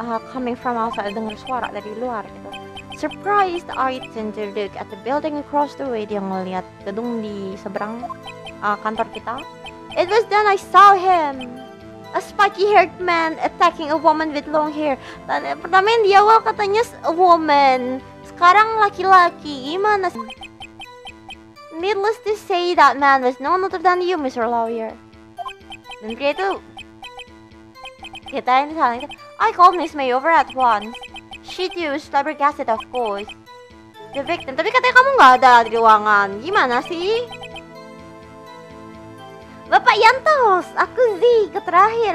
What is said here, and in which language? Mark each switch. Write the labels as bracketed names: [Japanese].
[English] Coming from outside, [Indonesian] dengar suara dari luar gitu. [English] Surprised, I turned to look at the building across the way. [Indonesian] Dia ngeliat gedung di seberang kantor kita. [English] It was then I saw him. A spiky-haired man attacking a woman with long hair. [Indonesian] Dan pertama yang di awal katanya [English] a woman. [Indonesian] Sekarang laki-laki, gimana sih? [English] Needless to say, that man was no other than you, Mr. Lawyer. [Indonesian] Dan pria itu kita ini saling. [English] I called Miss May over at once. She too was flabbergasted, of course. The victim. [Indonesian] Tapi katanya kamu nggak ada di ruangan. Gimana sih? Bapak Yantos, aku sih ke terakhir.